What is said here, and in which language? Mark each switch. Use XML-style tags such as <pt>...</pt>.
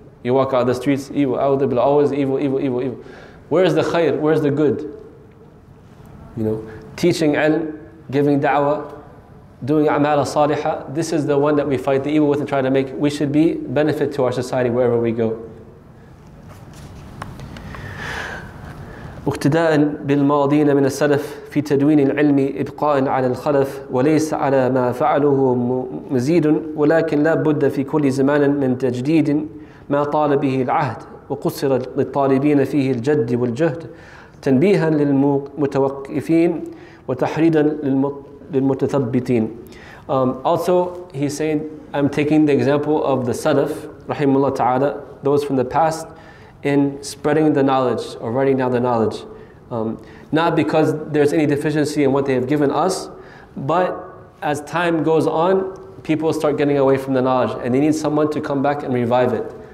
<en>You walk out the streets, evil, a'udhu billah, always evil, evil, evil, evil. Where is the khair? Where is the good? You know, teaching ilm, giving da'wah, doing amal saliha, this is the one that we fight the evil with and try to make. We should be benefit to our society wherever we go.</en> <ar>اقتداء بالماضين من السلف في تدوين العلم إبقاء على الخلف وليس على ما فعله مزيد ولكن لا بد في كل زمان من تجديد ما طال به العهد وقصر للطالبين فيه الجد والجهد تنبيها للمتوقفين وتحريدا للمتثبتين.</ar> <en>Also, he's saying, I'm taking the example of the Salaf, rahimullah ta'ala, those from the past, in spreading the knowledge, or writing down the knowledge. Not because there's any deficiency in what they have given us, but as time goes on, people start getting away from the knowledge, and they need someone to come back and revive it.</en>